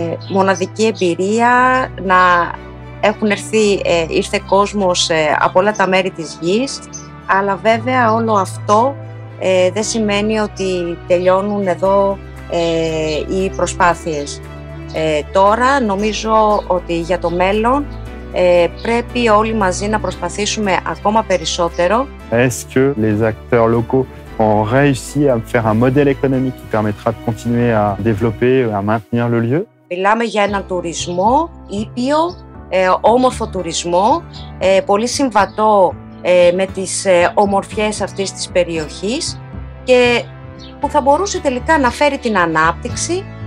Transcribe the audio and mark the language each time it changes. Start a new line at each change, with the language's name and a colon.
Greek: Μοναδική εμπειρία να έχουν έρθει, ήρθε κόσμος από όλα τα μέρη της γης, αλλά βέβαια όλο αυτό δεν σημαίνει ότι τελειώνουν εδώ οι προσπάθειες. Τώρα νομίζω ότι για το μέλλον πρέπει όλοι μαζί να προσπαθήσουμε ακόμα περισσότερο.
French: Est-ce que les acteurs locaux ont réussi à faire un modèle économique qui permettra de continuer à développer et à maintenir le lieu?
Greek: Μιλάμε για έναν τουρισμό ήπιο, όμορφο τουρισμό, πολύ συμβατό με τις ομορφιές αυτής της περιοχής και που θα μπορούσε τελικά να φέρει την ανάπτυξη.